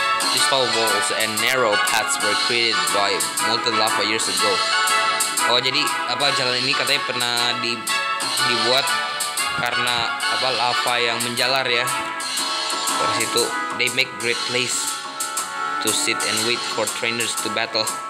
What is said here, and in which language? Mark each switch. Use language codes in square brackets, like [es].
[en] These tall walls and narrow paths were created by molten lava years ago. [id] Oh, jadi apa jalan ini katanya pernah dibuat karena apa lava yang menjalar ya. Dari situ [en] they make great place to sit and wait for trainers to battle.